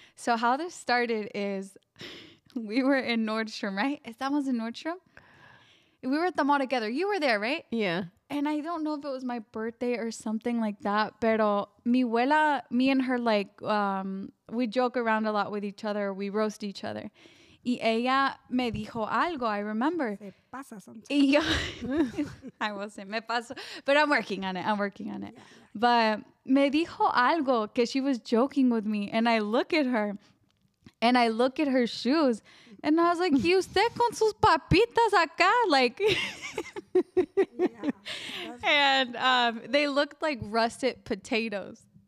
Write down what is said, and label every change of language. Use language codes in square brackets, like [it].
[en] So how this started is we were in Nordstrom, right? [es] Estamos en Nordstrom. [en] We were at the mall together. You were there, right? Yeah. And I don't know if it was my birthday or something like that, [es] pero mi abuela, [en] me and her, like, we joke around a lot with each other. We roast each other. [es] Y ella me dijo algo, [en] I remember. [es] Se pasa [en] sometimes. [es] Y yo, [en] I will say, [es] me paso. [en] But I'm working on it. I'm working on it. Yeah, yeah. But [es] me dijo algo, que [en] she was joking with me. And I look at her, and I look at her shoes. And I was like, [es] ¿y usted con sus papitas acá? [en] Like... Yeah, and they looked like rusted potatoes.